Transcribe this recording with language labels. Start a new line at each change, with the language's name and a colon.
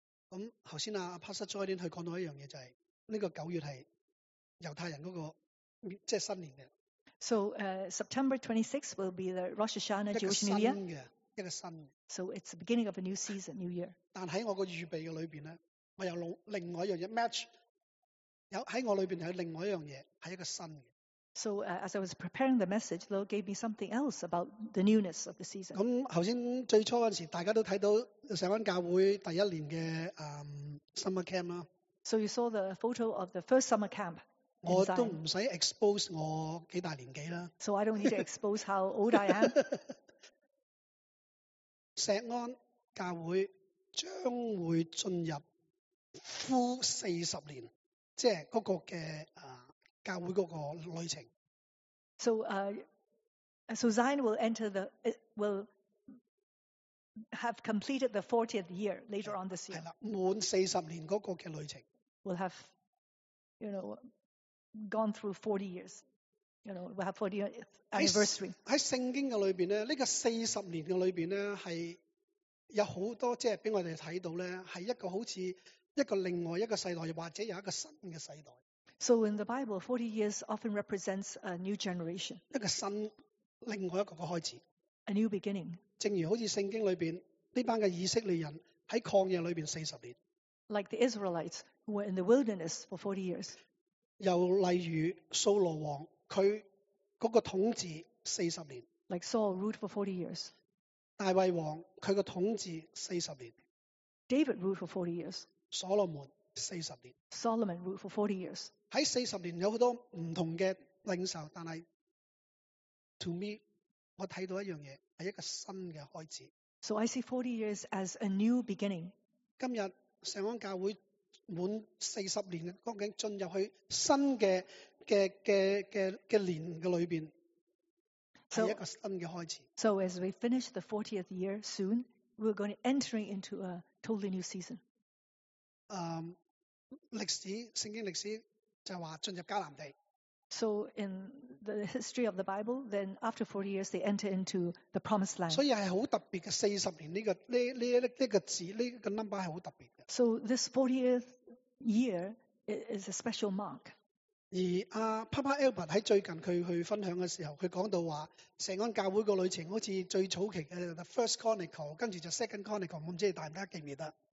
Cantonese: 咁頭先阿 Pastor Jordan 佢講到一樣嘢，就係呢個九月係猶太人嗰個即係新年嘅。
English: So September 26th will be the Rosh Hashanah Jewish New Year.
Cantonese: 一個新嘅。
English: So it's the beginning of a new season, New Year.
Cantonese: 但喺我個預備嘅裏邊咧，我有另外一樣嘢 match。有喺我裏邊有另外一樣嘢係一個新嘅。
English: So as I was preparing the message, the Lord gave me something else about the newness of the season.
Cantonese: 咁頭先最初嗰陣時，大家都睇到聖恩教會第一年嘅summer camp 啦。
English: So you saw the photo of the first summer camp.
Cantonese: 我都唔使 expose 我幾大年紀啦。
English: So I don't need to expose how old I am.
Cantonese: 聖恩教會將會進入 full 40年，即係嗰個嘅教会嗰个旅程。
English: So, Zion will enter the will have completed the 40th year later on this year.
Cantonese: 系啦，满四十年嗰个嘅旅程。
English: Will have, you know, gone through 40 years. You know, we'll have 40th anniversary.
Cantonese: 喺圣经嘅里边咧，呢、这个四十年嘅里边咧，系有好多即系俾我哋睇到咧，系一个好似一个另外一个世代，或者有一个新嘅世代。
English: So in the Bible, 40 years often represents a new generation.
Cantonese: 一个新，另外一个开始。
English: A new beginning.
Cantonese: 正如好似圣经里边呢班嘅以色列人喺旷野里边四十年。
English: Like the Israelites who were in the wilderness for 40 years.
Cantonese: 又例如扫罗王佢嗰个统治四十年。
English: Like Saul ruled for 40 years.
Cantonese: 大卫王佢个统治四十年。
English: David ruled for 40 years.
Cantonese: 所罗门。40年
English: Solomon ruled for 40 years.
Cantonese: 喺四十年有好多唔同嘅领袖，但系
English: to me，
Cantonese: 我睇到一样嘢系一个新嘅开始。
English: So I see 40 years as a new beginning.
Cantonese: 今日圣安教会满四十年，究竟进入去新嘅年嘅里边，系一个新嘅开始。
English: So as we finish the 40th year soon, we're going to entering into a totally new season.
Cantonese: 历史圣经历史就话进入迦南地。
English: So in the history of the Bible, then after 40 years, they enter into the promised land.
Cantonese: 所以系好特别嘅四十年呢个字呢个 number 系好特别嘅。
English: So this 40th year is a special mark.
Cantonese: 而Papa Albert 喺最近佢去分享嘅时候，佢讲到话圣安教会个旅程好似最早期嘅
English: the first chronicle，
Cantonese: 跟住就
English: second chronicle，
Cantonese: 我唔知大家记唔记得。